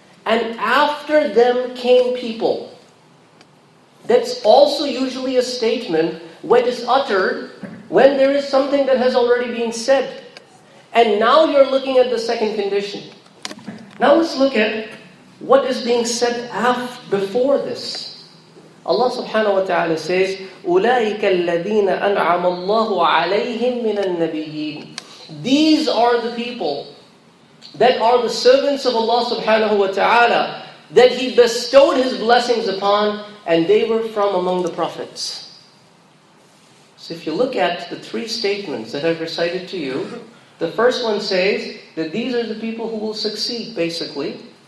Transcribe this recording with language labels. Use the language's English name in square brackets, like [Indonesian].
[English] And after them came people. That's also usually a statement when it's uttered, when there is something that has already been said. And now you're looking at the second condition. Now let's look at what is being said before this. Allah subhanahu wa ta'ala says, [Arabic] أُولَٰئِكَ الَّذِينَ أَنْعَمَ اللَّهُ عَلَيْهِمْ مِنَ النَّبِيِّينَ. [English] These are the people that are the servants of Allah subhanahu wa ta'ala that He bestowed His blessings upon, and they were from among the prophets. So if you look at the three statements that I've recited to you, the first one says that these are the people who will succeed, basically.